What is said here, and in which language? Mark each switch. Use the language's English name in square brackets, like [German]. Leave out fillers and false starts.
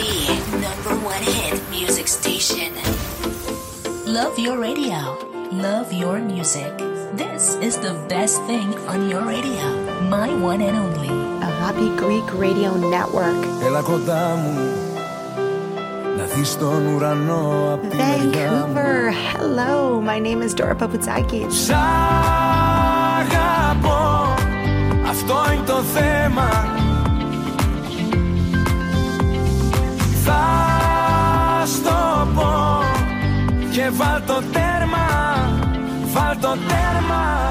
[English] The number one hit music station. Love your radio. Love your music. This is the best thing on your radio. My one and only. Happy Greek Radio Network. [Greek] Έλα κοντά μου, να δεις στον ουρανό απ' τη μεριά μου. [English] Vancouver, hello, my name is Dora Papoutsakis. [Greek] Σ' αγαπώ, αυτό είναι το θέμα. Θα στο πω και βάλ το τέρμα, βάλ το τέρμα.